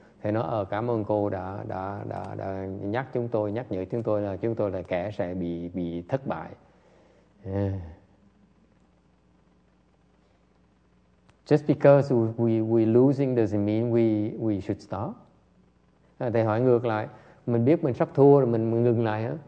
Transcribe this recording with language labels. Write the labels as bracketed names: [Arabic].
[Vietnamese] Thầy nói cảm ơn cô đã nhắc chúng tôi, nhắc nhở chúng tôi là chúng tôi là kẻ sẽ bị thất bại. [English] Just because we losing doesn't mean we should stop. [Vietnamese] Thầy hỏi ngược lại, mình biết mình sắp thua rồi mình ngừng lại hả?